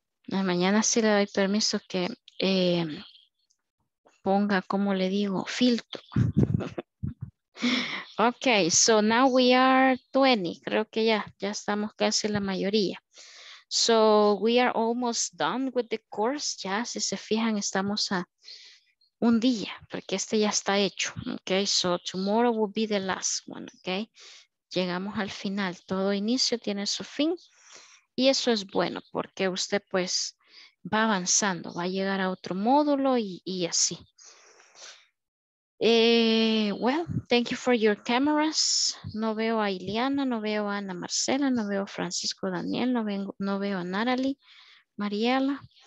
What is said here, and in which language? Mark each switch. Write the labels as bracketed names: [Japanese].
[Spanish] Mañana sí le doy permiso que... ponga, como le digo, filtro. [English] Ok, so now we are 20. [Spanish] Creo que ya, ya estamos casi la mayoría. [English] So we are almost done with the course. [Spanish] Ya, si se fijan, estamos a un día, porque este ya está hecho. [English] Ok, so tomorrow will be the last one. [Spanish] Ok, llegamos al final. Todo inicio tiene su fin. Y eso es bueno, porque usted pues va avanzando, va a llegar a otro módulo y así. [English] Well, thank you for your cameras. [Spanish] No veo a Ileana, no veo a Ana Marcela, no veo a Francisco Daniel, no veo a Natalie, Mariela.